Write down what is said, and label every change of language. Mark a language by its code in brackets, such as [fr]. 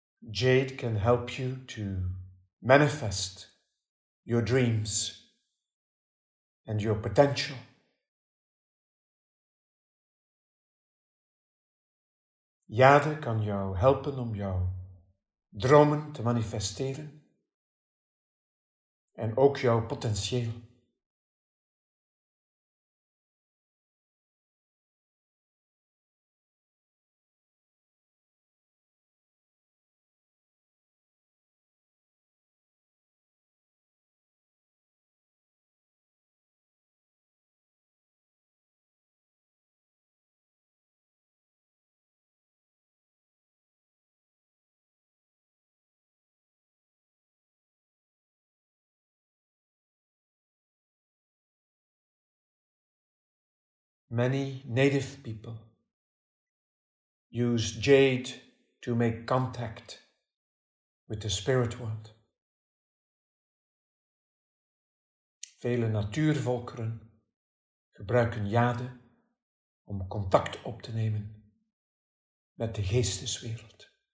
[en] Jade can help you to manifest your dreams and your potential. [nl] Jade kan jou helpen om jouw dromen te manifesteren en ook jouw potentieel. [en] Many native people use jade to make contact with the spirit world. [nl] Vele natuurvolkeren gebruiken jade om contact op te nemen met de geesteswereld.